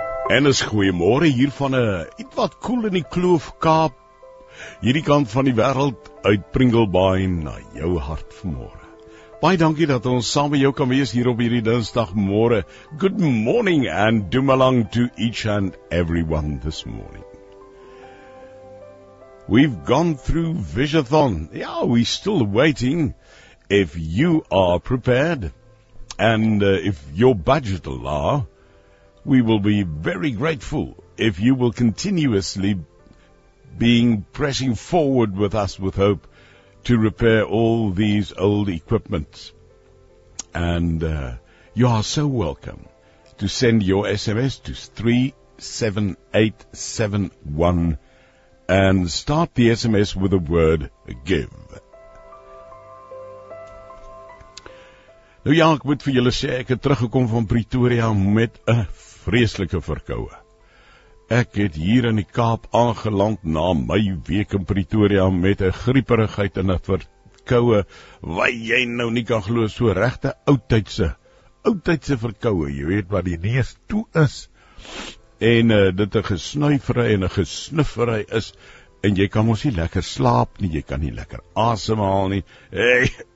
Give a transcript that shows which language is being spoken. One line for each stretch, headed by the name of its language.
Afrikaans: En is goeiemôre hier van 'n ietwat koel in die Kloof Kaap, hierdie kant van die wêreld uit Pringlebaai na jou hart vanmôre. Baie dankie dat ons saam met jou kan wees hier op hierdie Dinsdag môre.
English: Good morning and doom along to each and everyone this morning. We've gone through Visiathon. Yeah, we're still waiting. If you are prepared and if your budget allow, we will be very grateful if you will continuously being pressing forward with us with hope to repair all these old equipment. And you are so welcome to send your SMS to 37871 and start the SMS with the word give.
Afrikaans: Nou ja, ek moet vir julle sê, ek het teruggekom van Pretoria met 'n vreeslike verkoue. Ek het hier in die Kaap aangeland na my week in Pretoria met 'n grieperigheid en 'n verkoue, wat jy nou nie kan glo, so regte oudtydse verkoue, jy weet wat die neus toe is, en dit 'n gesnuifery en 'n gesnuffery is, en jy kan ons nie lekker slaap nie, jy kan nie lekker asemhaal nie, hey.